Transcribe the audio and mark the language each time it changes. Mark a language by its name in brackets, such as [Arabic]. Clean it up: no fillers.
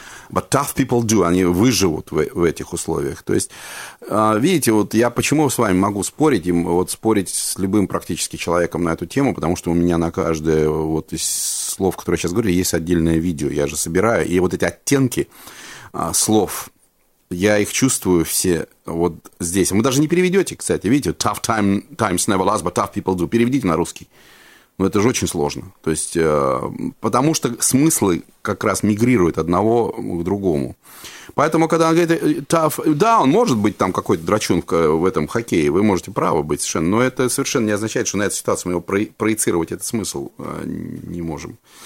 [English] But tough people do [Russian] – они выживут в этих условиях. То есть, видите, вот я почему с вами могу спорить, и вот спорить с любым практически человеком на эту тему, потому что у меня на каждое вот из слов, которые я сейчас говорю, есть отдельное видео, я же собираю. И вот эти оттенки слов – я их чувствую все вот здесь. Вы даже не переведете, кстати, видите, [English] tough time, times never last, but tough people do. [Russian] Переведите на русский. Но это же очень сложно. То есть, потому что смыслы как раз мигрируют одного к другому. Поэтому, когда он говорит tough, да, он может быть там какой-то драчун в этом хоккее, вы можете правы быть совершенно, но это совершенно не означает, что на эту ситуацию мы его проецировать этот смысл не можем.